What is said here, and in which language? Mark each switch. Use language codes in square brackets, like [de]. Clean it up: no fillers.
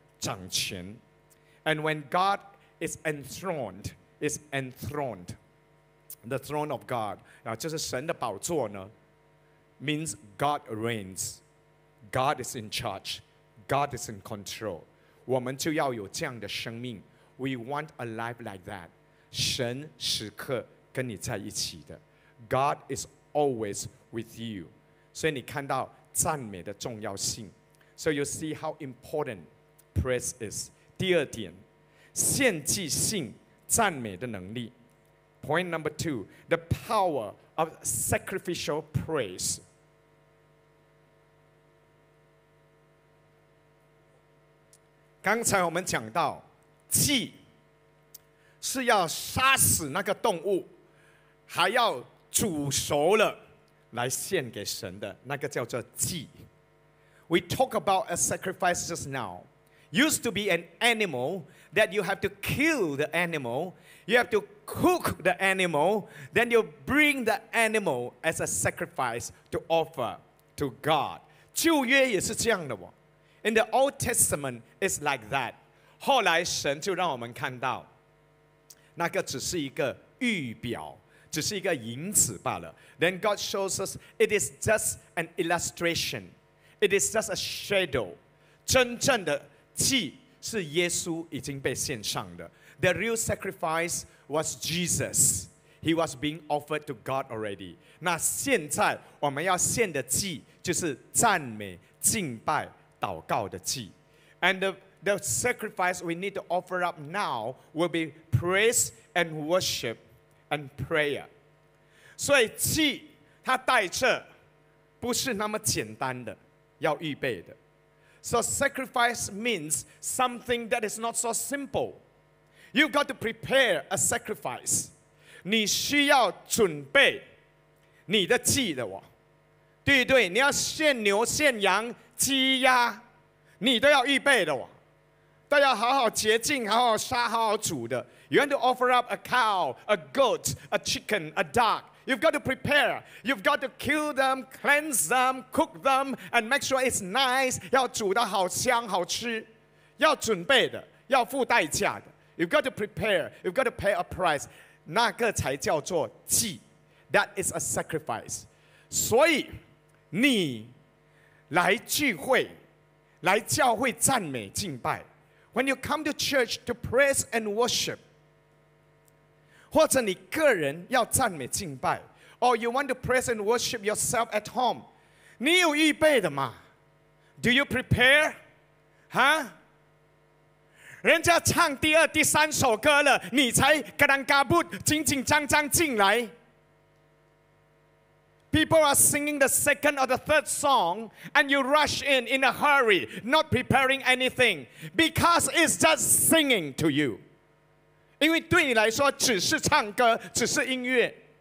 [en] 掌权 and when God is enthroned, the throne of God, [zh] 然后就是神的宝座呢 [en] means God reigns, God is in charge, God is in control. [zh] 我们就要有这样的生命 [en] we want a life like that. [zh] 神时刻跟你在一起的 [en] God is always with you. [zh] 所以你看到赞美的重要性 [en] So you see how important. Praise is. [zh] 第二点，献祭性赞美的能力。 [en] Point number two, the power of sacrificial praise. [zh] 刚才我们讲到，祭是要杀死那个动物，还要煮熟了来献给神的，那个叫做祭。 [en] We talk about a sacrifice just now. Used to be an animal that you have to kill the animal, you have to cook the animal, then you bring the animal as a sacrifice to offer to God. [zh] 旧约也是这样的哦。 [en] In the Old Testament, it's like that. [zh] 后来神就让我们看到，那个只是一个预表，只是一个影子罢了。 [en] Then God shows us it is just an illustration. It is just a shadow. [zh] 真正的祭是耶稣已经被献上的 [en] The real sacrifice was Jesus. He was being offered to God already. [zh] 那现在我们要献的祭就是赞美、敬拜、祷告的祭。 [en] And the sacrifice we need to offer up now will be praise and worship and prayer. [zh] 所以祭他带着不是那么简单的要预备的。 [en] So sacrifice means something that is not so simple. You've got to prepare a sacrifice. [zh] 你需要准备你的祭的哦。对对，你要献牛献羊鸡鸭你都要预备的哦。都要好好洁净好好杀好好煮的。 [en] You have to offer up a cow, a goat, a chicken, a duck. You've got to prepare. You've got to kill them, cleanse them, cook them, and make sure it's nice. [zh] 要煮得好香好吃。要准备的，要付代价的。 [en] You've got to prepare. You've got to pay a price. [zh] 那个才叫做祭。 [en] That is a sacrifice. [zh] 所以你来聚会，来教会赞美敬拜。 [en] When you come to church to praise and worship, [zh] 或者你个人要赞美敬拜 [en] or you want to praise and worship yourself at home, [zh] 你有预备的吗？ [en] Do you prepare? Huh? [zh] 人家唱第二、第三首歌了，你才嘎当嘎不紧紧张张进来。 [en] People are singing the second or the third song and you rush in a hurry, not preparing anything because it's just singing to you. [zh] 因为对你来说只是唱歌只是音乐。